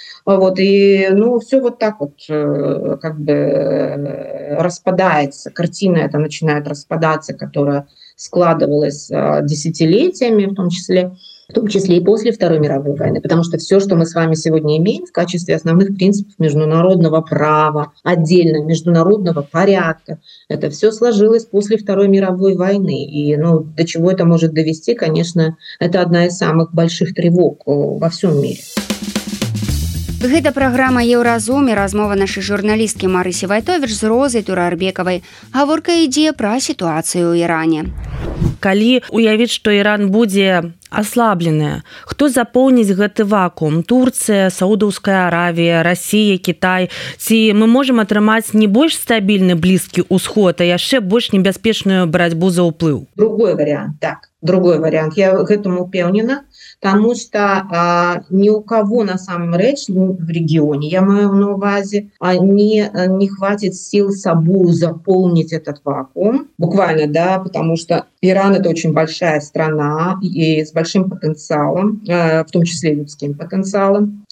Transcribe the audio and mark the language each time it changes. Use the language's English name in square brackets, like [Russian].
[Russian] Вот, и, ну, все вот так вот как бы распадается, картина эта начинает распадаться, которая складывалась десятилетиями в том числе и после Второй мировой войны, потому что все, что мы с вами сегодня имеем в качестве основных принципов международного права, отдельно международного порядка, это все сложилось после Второй мировой войны. И, ну, до чего это может довести, конечно, это одна из самых больших тревог во всем мире. [Belarusian] Гэта праграма «Еўразум» і размова нашай журналісткі Марысі Вайтовіч з Розай Турарбекавай. Гаворка ідзе пра сітуацыю ў Іране. Калі уявіць, што Іран будзе аслаблены, хто запоўніць гэты вакуум? Турцыя, Саудаўская Аравія, Расія, Кітай? Ці мы можам атрымаць не больш стабільны блізкі ўсход, а яшчэ больш небяспечную барацьбу за ўплыў? Другой варіант, так. Другой варіант. Я гэтаму ўпэўнена. [Russian] Потому что ни у кого на самом речь в регионе, я имею на увазе, не хватит сил собой заполнить этот вакуум. Буквально, да, потому что Иран – это очень большая страна и с большим потенциалом, в том числе людским потенциалом.